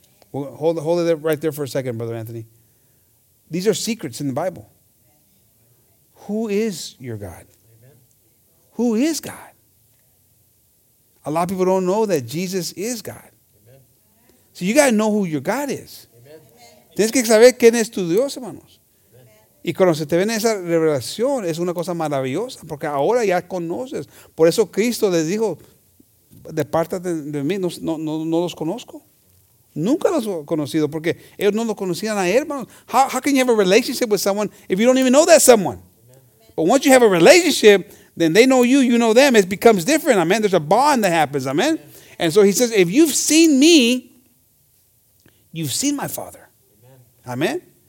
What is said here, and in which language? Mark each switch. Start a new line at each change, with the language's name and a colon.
English: Well, hold it right there for a second, Brother Anthony. These are secrets in the Bible. Who is your God? Amen. Who is God? A lot of people don't know that Jesus is God. Amen. So you got to know who your God is. Amen.
Spanish: Tienes que saber quién es tu Dios, hermanos. Amen. Y cuando se te viene esa revelación, es una cosa maravillosa, porque ahora ya conoces. Por eso Cristo les dijo, depártate de mí, no los conozco. Nunca los he conocido porque ellos no lo conocían a él, hermanos.
English: How can you have a relationship with someone if you don't even know that someone? Amen. But once you have a relationship, then they know you know them. It becomes different. Amen. There's a bond that happens. Amen. Amen. And so he says, if you've seen me, you've seen my Father. Amen. Amen.